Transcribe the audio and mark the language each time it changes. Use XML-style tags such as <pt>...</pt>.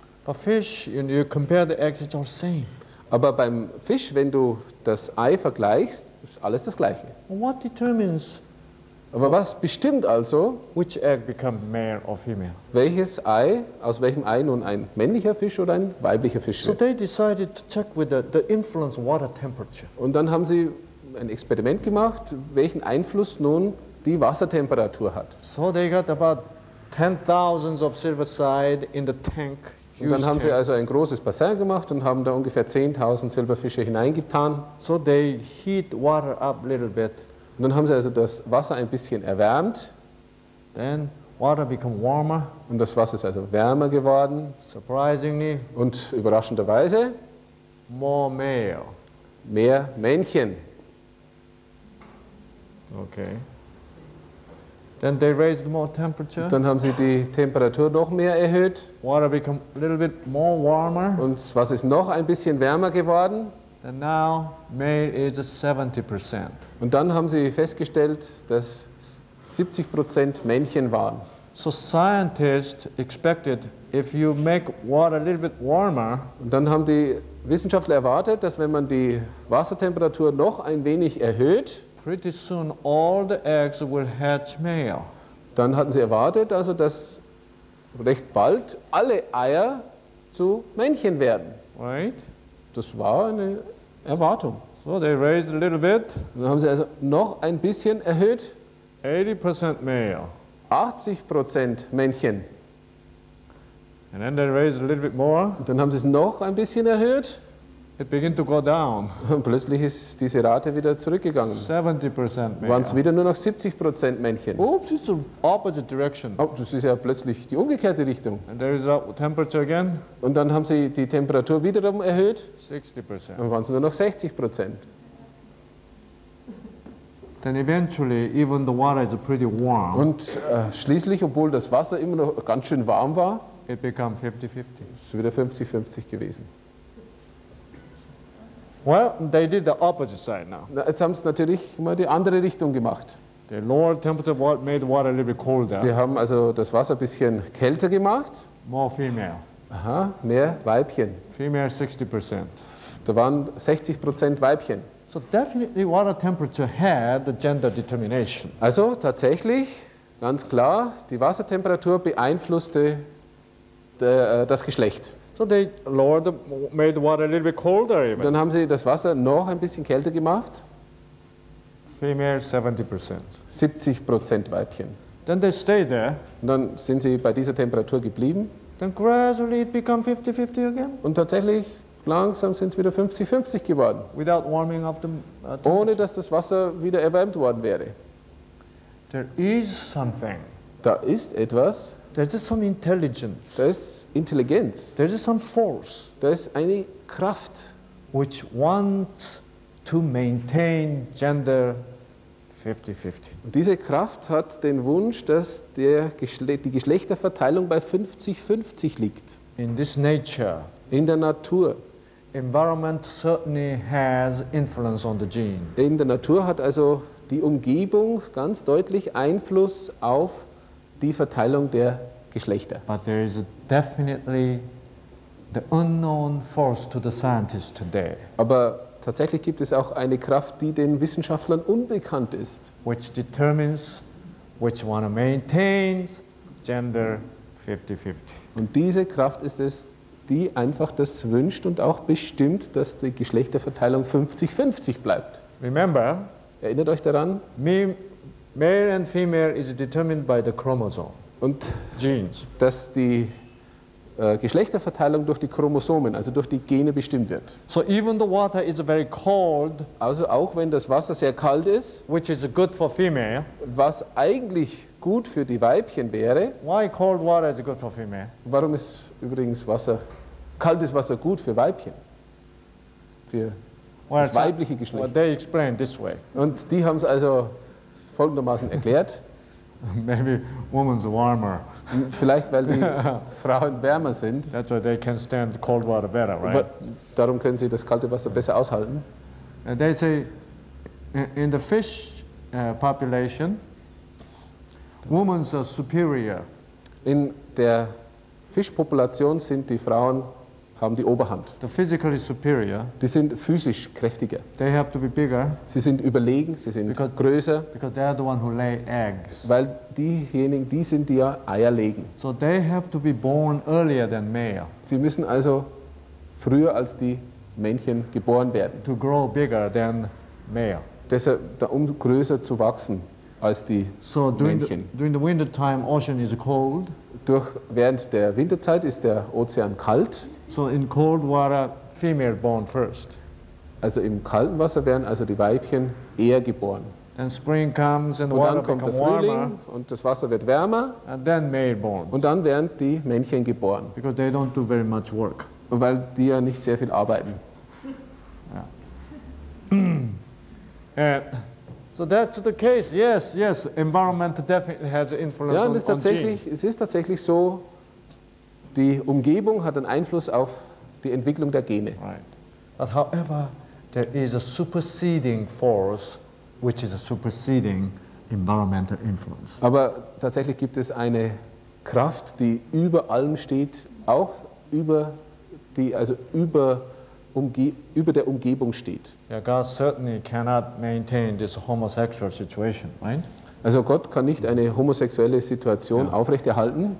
<en>But fish, you compare the eggs, it's all the same.</en> <de>Aber beim Fisch, wenn du das Ei vergleichst, ist alles das Gleiche.</de> <en>What determines?</en> <de>Aber was bestimmt also,</de> <en>which egg become male or female?</en> <de>Welches Ei, aus welchem Ei nun ein männlicher Fisch oder ein weiblicher Fisch wird?</de> <en>So they decided to check with the influence water temperature.</en> <de>Und dann haben sie ein Experiment gemacht, welchen Einfluss nun die Wassertemperatur hat.</de> <en>So they got about 10,000 of silver side in the tank.</en> <de>Und dann haben sie also ein großes Bassin gemacht und haben da ungefähr 10,000 Silberfische hineingetan.</de> <en>So they heat water up a little bit.</en> <de>Und dann haben sie also das Wasser ein bisschen erwärmt.</de> <en>Then water become warmer.</en> <de>Und das Wasser ist also wärmer geworden.</de> <en>Surprisingly.</en> <de>Und überraschenderweise.</de> <en>More male.</en> <de>Mehr Männchen.</de> <en>Okay. Then they raised more temperature.</en> <de>Dann haben sie die Temperatur noch mehr erhöht.</de> <en>Water become a little bit more warmer.</en> <de>Und was ist noch ein bisschen wärmer geworden?</de> <en>And now male is 70%.</en> <de>Und dann haben sie festgestellt, dass 70% Männchen waren.</de> <en>So scientists expected if you make water a little bit warmer.</en> <de>Und dann haben die Wissenschaftler erwartet, dass wenn man die Wassertemperatur noch ein wenig erhöht,</de> <en>pretty soon all the eggs will hatch male.</en> <de>Dann hatten sie erwartet, also dass recht bald alle Eier zu Männchen werden.</de> <en>Right?</en> <de>Das war eine Erwartung.</de> <en>So they raised a little bit.</en> <de>Dann haben sie also noch ein bisschen erhöht.</de> <en>80% male.</en> <de>80% Männchen.</de> <en>And then they raised a little bit more.</en> <de>Dann haben sie es noch ein bisschen erhöht.</de> <en>It began to go down.</en> <de>Und plötzlich ist diese Rate wieder zurückgegangen.</de> <en>70%</en> <de>Männchen. Waren es wieder nur noch 70% Männchen.</de> <en>Oops, it's the opposite direction.</en> <de>Oh, das ist ja plötzlich die umgekehrte Richtung.</de> <en>And there is a temperature again.</en> <de>Und dann haben sie die Temperatur wiederum erhöht.</de> <en>60%.</en> <de>Und waren es nur noch 60%.</de> <en>Then eventually even the water is pretty warm.</en> <de>Und schließlich, obwohl das Wasser immer noch ganz schön warm war,</de> <en>it became 50-50.</en> <de>Ist wieder 50-50 gewesen.</de> <en>Well, they did the opposite side now.</en> <de>Jetzt haben sie natürlich mal die andere Richtung gemacht.</de> <en>The lower temperature water made the water a little bit colder.</en> <de>Die haben also das Wasser ein bisschen kälter gemacht.</de> <en>More female.</en> <de>Aha, mehr Weibchen.</de> <en>Female 60%.</en> <de>Da waren 60% Weibchen.</de> <en>So definitely water temperature had the gender determination.</en> <de>Also tatsächlich, ganz klar, die Wassertemperatur beeinflusste das Geschlecht.</de> <en>So they lowered, made the water a little bit colder even.</en> <de>Dann haben sie das Wasser noch ein bisschen kälter gemacht.</de> <en>Female 70%.</en> <de>70% Weibchen.</de> <en>Then they stayed there.</en> <de>Und dann sind sie bei dieser Temperatur geblieben.</de> <en>Then gradually it became 50-50 again.</en> <de>Und tatsächlich, langsam sind es wieder 50-50 geworden.</de> <en>Without warming up the temperature.</en> <de>Ohne dass das Wasser wieder erwärmt worden wäre.</de> <en>There is something.</en> <de>Da ist etwas.</de> <en>There is some intelligence.</en> <de>Da ist Intelligenz.</de> <en>There is some force.</en> <de>Da ist eine Kraft,</de> <en>which wants to maintain gender 50-50.</en> <de>Und diese Kraft hat den Wunsch, dass die Geschlechterverteilung bei 50-50 liegt.</de> <en>In this nature.</en> <de>In der Natur.</de> <en>Environment certainly has influence on the gene.</en> <de>In der Natur hat also die Umgebung ganz deutlich Einfluss auf die Verteilung der Geschlechter.</de> <en>But there is definitely the unknown force to the scientists today.</en> <de>Aber tatsächlich gibt es auch eine Kraft, die den Wissenschaftlern unbekannt ist.</de> <en>Which determines which one maintains gender 50-50.</en> <de>Und diese Kraft ist es, die einfach das wünscht und auch bestimmt, dass die Geschlechterverteilung 50-50 bleibt.</de> <en>Remember,</en> <de>erinnert euch daran,</de> <en>male and female is determined by the chromosome.</en> <de>Und</de> <en>genes.</en> <de>Dass die Geschlechterverteilung durch die Chromosomen, also durch die Gene bestimmt wird.</de> <en>So even the water is very cold,</en> <de>also auch wenn das Wasser sehr kalt ist,</de> <en>which is good for female,</en> <de>was eigentlich gut für die Weibchen wäre.</de> <en>Why cold water is good for female?</en> <de>Warum ist übrigens Wasser, kaltes Wasser gut für Weibchen? Für well, das weibliche Geschlecht.</de> <en>Well, they explain this way.</en> <de>Und die haben es also folgendermaßen erklärt.</de> <en>Maybe women's warmer.</en> <de>Vielleicht weil die Frauen wärmer sind.</de> <en>That's why they can stand cold water better, right?</en> <de>Aber darum können sie das kalte Wasser besser aushalten.</de> <en>And they say in the fish population, women's are superior.</en> <de>In der Fischpopulation sind die Frauen haben die Oberhand.</de> <en>The physically superior.</en> <de>Die sind physisch kräftiger.</de> <en>They have to be bigger.</en> <de>Sie sind überlegen, sie sind größer.</de> <en>Because they are the one who lay eggs.</en> <de>Weil diejenigen, die sind, die ja Eier legen.</de> <en>So they have to be born earlier than male.</en> <de>Sie müssen also früher als die Männchen geboren werden.</de> <en>To grow bigger than male.</en> <de>Deshalb, um größer zu wachsen als die so Männchen.</de> <en>During the winter time, ocean is cold.</en> <de>Während der Winterzeit ist der Ozean kalt.</de> <en>So in cold water, female born first.</en> <de>Also im kalten Wasser werden also die Weibchen eher geboren.</de> <en>Then spring comes and the water</en> <de>und dann kommt der Frühling und das Wasser wird wärmer.</de> <en>And then male born.</en> <de>Und dann werden die Männchen geboren.</de> <en>Because they don't do very much work.</en> <de>Und weil die ja nicht sehr viel arbeiten.</de> <en>Yeah. So that's the case. Yes, yes. Environment definitely has influence on genes.</en> <de>Ja, es ist tatsächlich so. Die Umgebung hat einen Einfluss auf die Entwicklung der Gene.</de> <en>Right. But however, there is a superseding force, which is a superseding environmental influence.</en> <de>Aber tatsächlich gibt es eine Kraft, die über allem steht, auch über der Umgebung steht.</de> <en>Yeah, God certainly cannot maintain this homosexual situation, right?</en> <de>Also Gott kann nicht eine homosexuelle Situation aufrechterhalten.</de>